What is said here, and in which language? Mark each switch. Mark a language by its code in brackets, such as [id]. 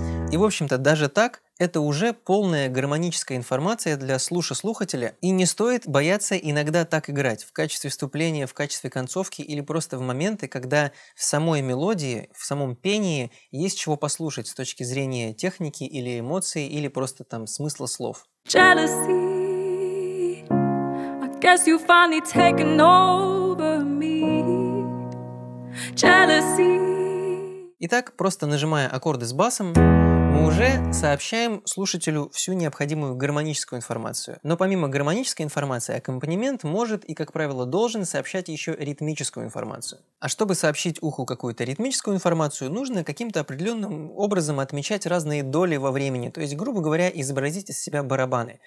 [ru] И, в общем-то, даже так, это уже полная гармоническая информация для слушослухателя, и не стоит бояться иногда так играть, в качестве вступления, в качестве концовки или просто в моменты, когда в самой мелодии, в самом пении есть чего послушать с точки зрения техники или эмоций, или просто там смысла слов. [en] Jealousy, I guess you finally taken over me. Jealousy. [ru] Итак, просто нажимая аккорды с басом, мы уже сообщаем слушателю всю необходимую гармоническую информацию. Но помимо гармонической информации, аккомпанемент может и, как правило, должен сообщать еще ритмическую информацию. А чтобы сообщить уху какую-то ритмическую информацию, нужно каким-то определенным образом отмечать разные доли во времени, то есть, грубо говоря, изобразить из себя барабаны.